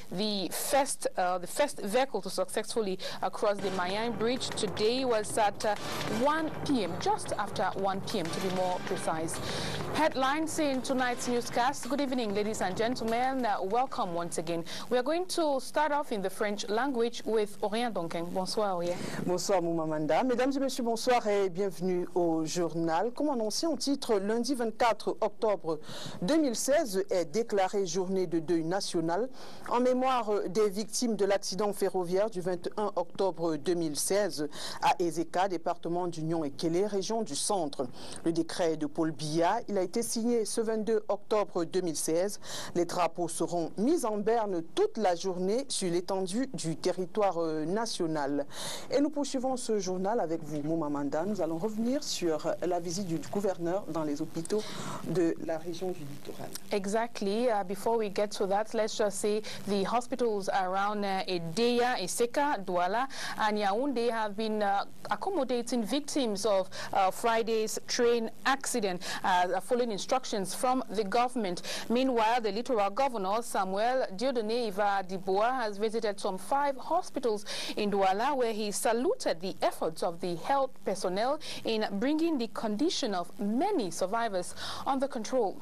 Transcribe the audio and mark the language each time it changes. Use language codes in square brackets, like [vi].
[en] The first vehicle to successfully cross the Manyai Bridge today was at 1 p.m., just after 1 p.m. to be more precise. Headlines in tonight's newscast. Good evening, ladies and gentlemen. Welcome once again. We are going to start off in the French language with Aurien Donquin. [fr] Bonsoir, Aurien. Bonsoir, Moumamanda. Mesdames et messieurs, bonsoir et bienvenue au journal. Comme annoncé en titre, lundi 24 octobre 2016 est déclarée journée de deuil national en mémoire des victimes de l'accident ferroviaire du 21 octobre 2016 à Ezeka, département d'Union et Kélé, région du centre. Le décret de Paul Biya, il a été signé ce 22 octobre 2016. Les drapeaux seront mis en berne toute la journée sur l'étendue du territoire national. Et nous poursuivons ce journal avec vous, Moumamanda. Nous allons revenir sur la visite du gouverneur dans les hôpitaux de la région du littoral. [en] Exactly. Before we get to that, let's just say the hospitals around Edeya, Isika, Douala and Yaoundé have been accommodating victims of Friday's train accident following instructions from the government. Meanwhile, the littoral governor, Samuel Dieudonné Eva Dibua, has visited some 5 hospitals in Douala, where he saluted the efforts of the health personnel in bringing the condition of many survivors under control.